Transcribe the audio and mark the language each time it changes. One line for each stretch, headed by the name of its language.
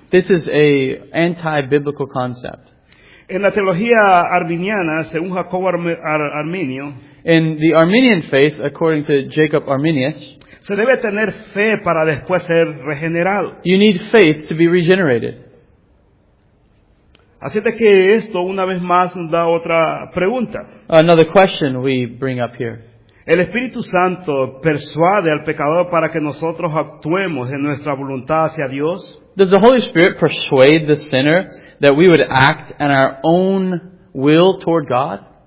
English: This is a anti-biblical concept.
Spanish: En la teología arminiana, según Jacobo Arminio,
English: in the Arminian faith, according to Jacob Arminius,
Spanish: se debe tener fe para después ser regenerado.
English: You need faith to be regenerated.
Spanish: Así de que esto una vez más nos da otra pregunta.
English: Another question we bring up here.
Spanish: El Espíritu Santo persuade al pecador para que nosotros actuemos en nuestra voluntad hacia Dios.
English: Does the Holy Spirit persuade the sinner that we would act in our own will toward God?